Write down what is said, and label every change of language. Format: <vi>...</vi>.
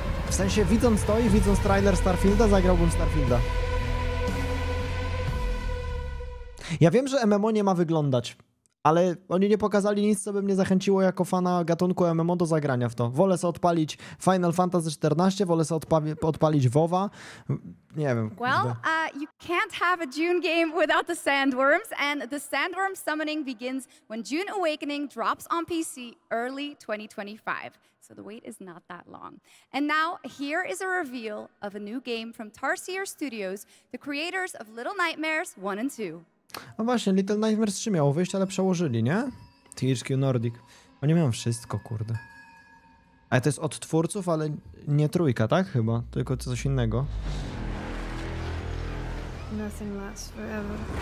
<pl>W sensie, widząc to i widząc trailer Starfielda, zagrałbym Starfielda. Ja wiem, że MMO nie ma wyglądać, ale oni nie pokazali nic, co by mnie zachęciło jako fana gatunku MMO do zagrania w to. Wolę sobie odpalić Final Fantasy XIV, wolę sobie odpalić WoWa, nie wiem.</pl> <en>Well, you can't have a Dune game without the sandworms, and the sandworm summoning begins when Dune Awakening drops on PC early 2025. So the wait is not that long. And now, here is a reveal of a new game from Tarsier Studios, the creators of Little Nightmares 1 and 2.</en> <pl>No właśnie, Little Nightmares 3 miało wyjść, ale przełożyli, nie? THQ Nordic. Oni mają wszystko, kurde. Ale to jest od twórców, ale nie trójka, tak? Chyba, tylko coś innego.</pl> <en>Nothing lasts forever.</en>